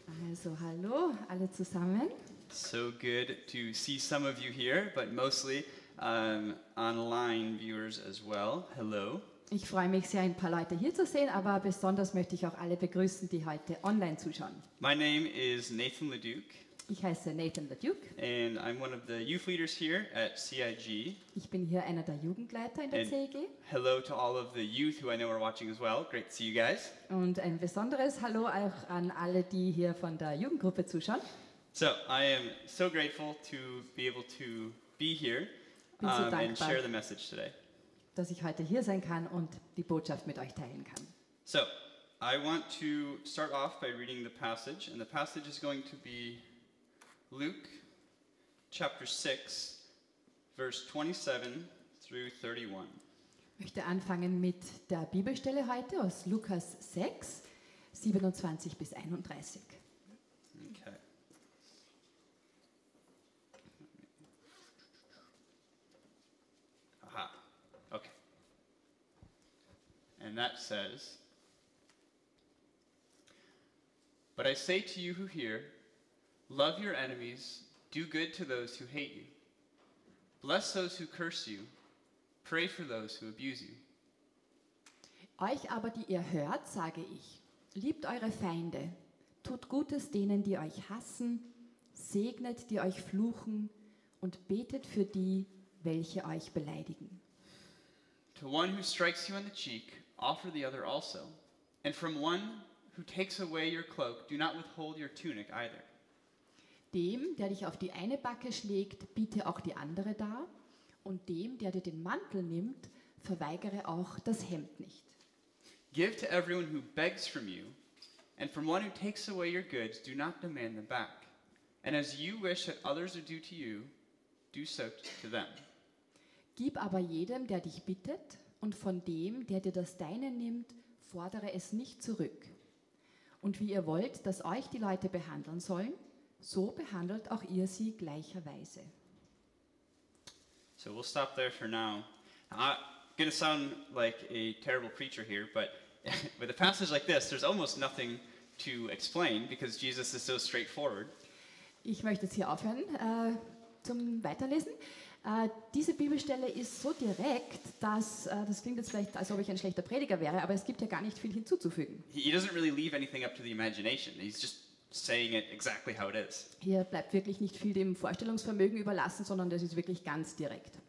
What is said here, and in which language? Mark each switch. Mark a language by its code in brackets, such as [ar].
[de] Also, hallo, alle zusammen. [en] So good to see some of you here, but mostly online viewers as well. Hello. [de] Ich freue mich sehr, ein paar Leute hier zu sehen, aber besonders möchte ich auch alle begrüßen, die heute online zuschauen. [en] My name is Nathan LeDuc. [de] Ich heiße Nathan LeDuc. [en] And I'm one of the youth leaders here at CIG. [de] Ich bin hier einer der Jugendleiter in der CIG. [en] Hello to all of the youth who I know are watching as well. Great to see you guys. [de] Und ein besonderes Hallo auch an alle, die hier von der Jugendgruppe zuschauen. [en] So, I am so grateful to be able to be here and share the message today. [de] Dass ich heute hier sein kann und die Botschaft mit euch teilen kann. [en] So, I want to start off by reading the passage, and the passage is going to be Luke chapter 6, verse 27 through 31. [de] Ich möchte anfangen mit der Bibelstelle heute aus Lukas 6, 27 bis 31. [en] Okay. And that says, "But I say to you who hear, love your enemies, do good to those who hate you. Bless those who curse you, pray for those who abuse you. [de] Euch aber, die ihr hört, sage ich, liebt eure Feinde, tut Gutes denen, die euch hassen, segnet, die euch fluchen, und betet für die, welche euch beleidigen. [en] To one who strikes you on the cheek, offer the other also. And from one who takes away your cloak, do not withhold your tunic either. [de] Dem, der dich auf die eine Backe schlägt, biete auch die andere dar. Und dem, der dir den Mantel nimmt, verweigere auch das Hemd nicht. [en] Give to everyone who begs from you. And from one who takes away your goods, do not demand them back. And as you wish that others would do to you, do so to them. [de] Gib aber jedem, der dich bittet, und von dem, der dir das Deine nimmt, fordere es nicht zurück. Und wie ihr wollt, dass euch die Leute behandeln sollen, so behandelt auch ihr sie gleicherweise. [en] So we'll stop there for now. I'm going to sound like a terrible preacher here, but with a passage like this, there's almost nothing to explain, because Jesus is so straightforward. [de] Ich möchte jetzt hier aufhören zum Weiterlesen. Diese Bibelstelle ist so direkt, dass das klingt jetzt vielleicht, als ob ich ein schlechter Prediger wäre, aber es gibt ja gar nicht viel hinzuzufügen. [en] He doesn't really leave anything up to the imagination. He's just saying it exactly how it is. [de] Hier bleibt wirklich nicht viel dem Vorstellungsvermögen überlassen, sondern das ist wirklich ganz direkt.